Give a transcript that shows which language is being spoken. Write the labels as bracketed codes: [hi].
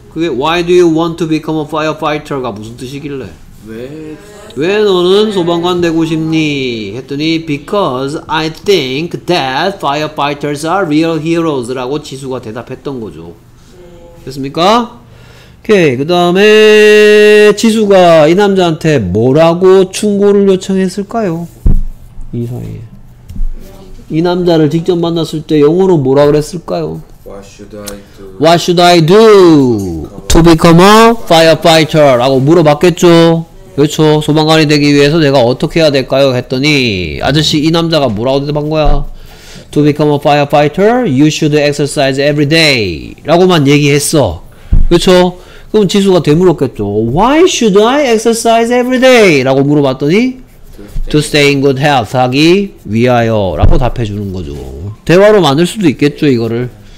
[ko] 그게 [en] Why do you want to become a firefighter? [ko] 가 무슨 뜻이길래? 왜 너는 소방관 되고 싶니? 했더니 [en] Because I think that firefighters are real heroes. [ko] 라고 지수가 대답했던 거죠. 됐습니까? 오케이. 그 다음에 지수가 이 남자한테 뭐라고 충고를 요청했을까요? 이 사이에 이 남자를 직접 만났을 때 영어로 뭐라 그랬을까요? [en] What should I do? What should I do to become a firefighter? [ko] 라고 물어봤겠죠. 그렇죠. 소방관이 되기 위해서 내가 어떻게 해야 될까요? 했더니 아저씨 이 남자가 뭐라고 대답한 거야? [en] To become a firefighter, you should exercise every day. [ko] 라고만 얘기했어. 그렇죠. 그럼 지수가 되물었겠죠. [en] Why should I exercise every day? [ko] 라고 물어봤더니 [en] To stay in good health [ko] 하기 위하여 라고 답해주는 거죠. 대화로 만들 수도 있겠죠 이거를.